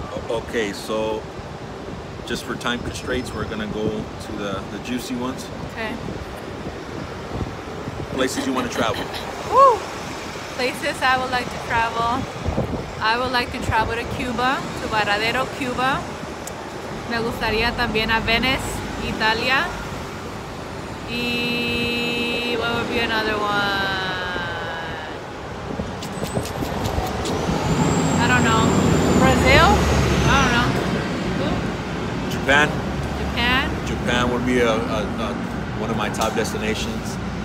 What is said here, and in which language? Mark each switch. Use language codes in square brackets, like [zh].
[en] Okay, so just for time constraints, we're gonna go to the juicy ones. Okay. Places you wanna travel. Woo! Places I would like to travel. I would like to travel to Cuba, to Varadero, Cuba. [es] Me gustaría también a Venice, Italia. [en] Y what would be another one? I don't know. Brazil? I don't know. Japan. Japan. Japan would be a one of my top destinations.